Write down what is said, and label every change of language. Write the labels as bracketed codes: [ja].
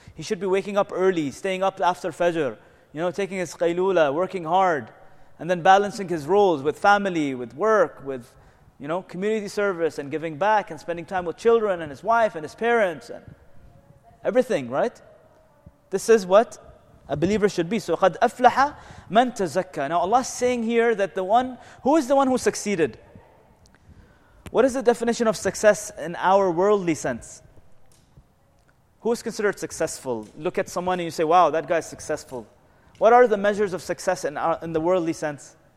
[en] He should be waking up early, staying up after fajr, you know, taking his qailula, working hard, and then balancing his roles with family, with work, with, you know, community service and giving back and spending time with children and his wife and his parents and everything, right? This is what a believer should be. [ar] So قَدْ أَفْلَحَ مَنْ تَزَكَّى. [en] Now Allah is saying here that the one, who is the one who succeeded? What is the definition of success in our worldly sense? Who is considered successful? Look at someone and you say, wow, that guy is successful. What are the measures of success in our, in the worldly sense?